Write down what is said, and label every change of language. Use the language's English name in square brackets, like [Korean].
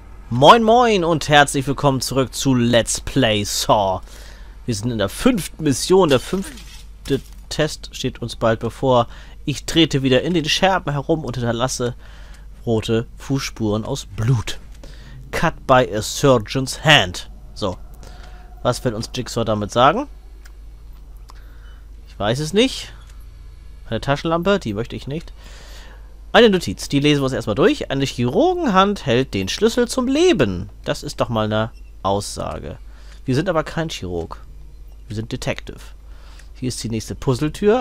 [German] Moin moin und herzlich willkommen zurück zu Let's Play Saw. Wir sind in der fünften Mission, der fünfte Test steht uns bald bevor. Ich trete wieder in den Scherben herum und hinterlasse rote Fußspuren aus Blut. [English] Cut by a surgeon's hand. [German] So, was will uns Jigsaw damit sagen? Ich weiß es nicht. Eine Taschenlampe, die möchte ich nicht. Eine Notiz, die lesen wir uns erstmal durch. Eine Chirurgenhand hält den Schlüssel zum Leben. Das ist doch mal eine Aussage. Wir sind aber kein Chirurg. Wir sind Detective. Hier ist die nächste Puzzletür.